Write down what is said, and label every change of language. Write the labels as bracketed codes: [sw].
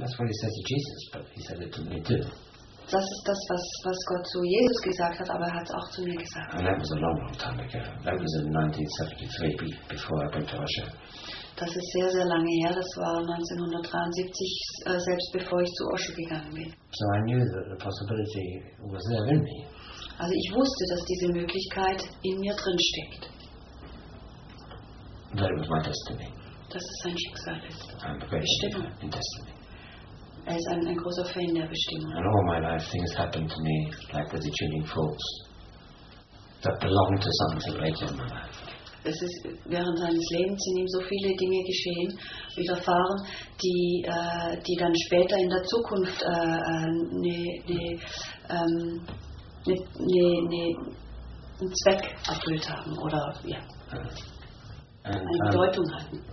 [en] That's what he said to Jesus, but he said it to me too. [de] Das ist das, was Gott zu Jesus gesagt hat, aber er hat es auch zu mir gesagt. [en] And that was a long, long time ago. That was in 1973, before I went to Russia. [de] Das ist sehr, sehr lange her. Das war 1973, selbst bevor ich zu Osho gegangen bin. [en] So I knew that the possibility was there in me. [de] Also ich wusste, dass diese Möglichkeit in mir drin steckt. [en] That it was my destiny. [de] Dass es sein Schicksal [en] ist. I'm a great in destiny. [de] Er ist ein großer Fan der Bestimmung. [en] And all my life things happen to me like the tuning forks that belong to something later in my life. [de] Es ist während seines Lebens in ihm so viele Dinge geschehen, widerfahren, die dann später in der Zukunft einen Zweck erfüllt haben oder ja, eine Bedeutung hatten.